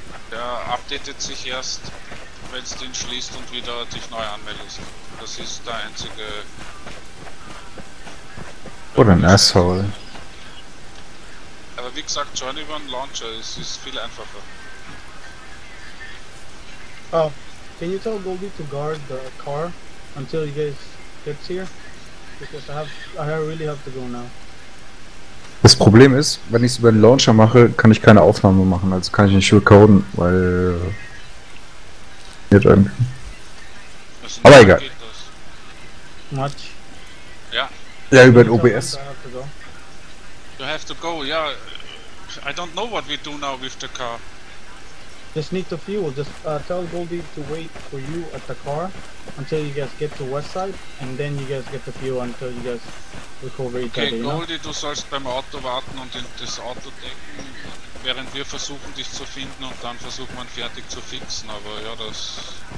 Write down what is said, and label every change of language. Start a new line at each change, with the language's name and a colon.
German: Der updatet sich erst, wenn du ihn schließt und wieder dich neu anmeldest. Das ist der einzige.
English: What an asshole.
German: Aber wie gesagt, join über einen Launcher, es ist viel einfacher.
English: Oh, can you tell Goldie to guard the car until you guys get here? Because I really have to go now.
German: Das Problem ist, wenn ich es über den Launcher mache, kann ich keine Aufnahme machen, also kann ich nicht recorden, weil... nicht irgendwie. Aber egal.
English: Much.
German: Ja. Ja, über den OBS.
English: You have to go, yeah. I don't know what we do now with the car. Just need the fuel. Just tell Goldie to wait for you at the car until you guys get to west side, and then you guys get the fuel until you guys recover it.
German: Okay, Goldie, du sollst beim Auto warten und in das Auto decken, während wir versuchen dich zu finden und dann versuchen wir ihn fertig zu fixen, aber ja, das...